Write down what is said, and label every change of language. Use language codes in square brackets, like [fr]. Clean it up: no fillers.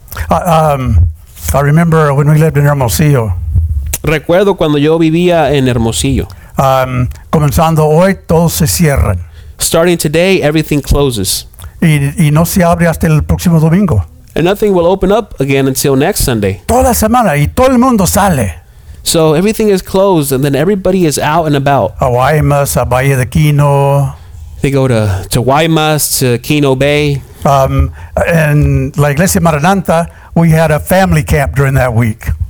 [en] I remember when we lived in Hermosillo. [es] Recuerdo cuando yo vivía en Hermosillo. Comenzando hoy, todos se cierran. [en] Starting today, everything closes. [es] Y no se abre hasta el próximo domingo. [en] And nothing will open up again until next Sunday. [es] Toda la semana y todo el mundo sale. [en] So everything is closed and then everybody is out and about. [es] A Guaymas, a Bahía de Quino. [en] They go to Guaymas, to Quino Bay. And la Iglesia Maranatha, we had a family camp during that week.